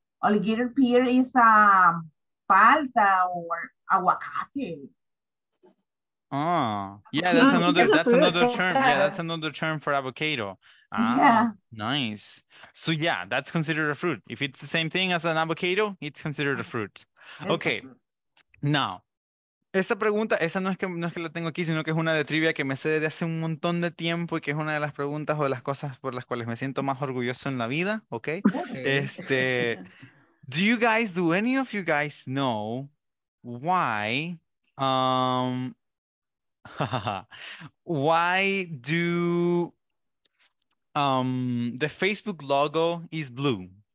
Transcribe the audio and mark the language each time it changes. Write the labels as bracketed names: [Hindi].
[English] Alligator pier is a palta or aguacate. Oh, yeah. That's another. That's another term. Yeah, that's another term for avocado. Ah, yeah. Nice. So yeah, that's considered a fruit. If it's the same thing as an avocado, it's considered a fruit. Okay. Now. [Spanish] Esa pregunta, esa no es que la tengo aquí, sino que es una de trivia que me sé desde hace un montón de tiempo y que es una de las preguntas o de las cosas por las cuales me siento más orgulloso en la vida, ¿okay? [English] Do any of you guys know why why do the Facebook logo is blue?